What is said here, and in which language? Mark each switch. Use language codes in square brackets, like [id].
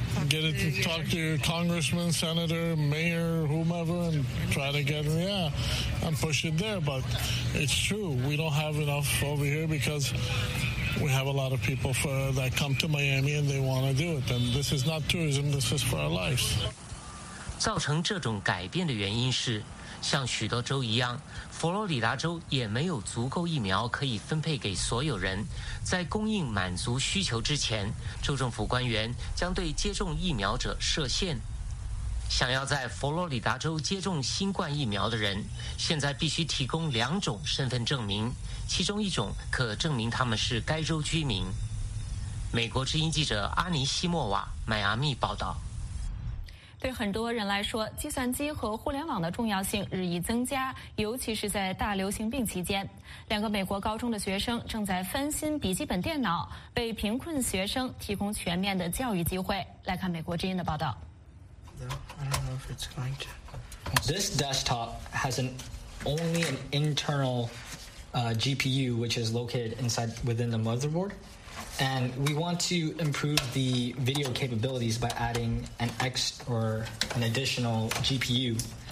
[en] Get it, talk to your congressman, senator, mayor, whomever, and try to get it, yeah, and push it there. But it's true, we don't have enough over here because we have a lot of people that come to Miami and they want to do it. And this is not tourism, this is for our lives. [zh] 造成这种改变的原因是，像许多州一样，佛罗里达州也没有足够疫苗可以分配给所有人。在供应满足需求之前，州政府官员将对接种疫苗者设限。想要在佛罗里达州接种新冠疫苗的人，现在必须提供两种身份证明，其中一种可证明他们是该州居民。美国之音记者阿尼西莫瓦，迈阿密报道。对很多人来说，计算机和互联网的重要性日益增加，尤其是在大流行病期间。两个美国高中的学生正在翻新笔记本电脑，为贫困学生提供全面的教育机会。来看美国之音的报道。 [en] This desktop has only an internal GPU, which is located inside within the motherboard. And we want to improve the video capabilities by adding an additional GPU.